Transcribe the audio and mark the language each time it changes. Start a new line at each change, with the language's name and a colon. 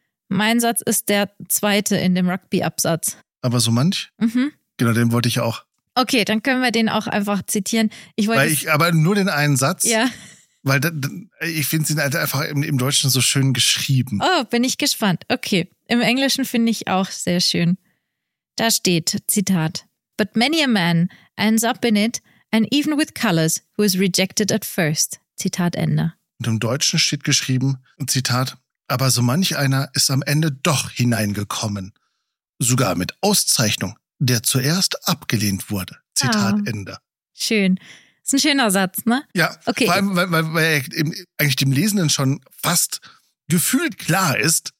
German: Mein Satz ist der zweite in dem Rugby-Absatz. Aber so manch? Mhm. Genau, den wollte ich auch. Okay, dann können wir den auch einfach zitieren. Ich wollte aber nur den einen Satz. Ja. Weil ich finde es halt einfach im Deutschen so schön geschrieben. Oh, bin ich gespannt. Okay, im Englischen finde ich auch sehr schön. Da steht, Zitat:
English: But many a man ends up in it, and even with colors, who is rejected at first.
German: Zitat Ende. Und im Deutschen steht geschrieben, Zitat: Aber so manch einer ist am Ende doch hineingekommen. Sogar mit Auszeichnung. Der zuerst abgelehnt wurde. Zitat Ende. Schön. Ist ein schöner Satz, ne? Ja. Okay. Vor allem, weil eigentlich dem Lesenden schon fast gefühlt klar ist.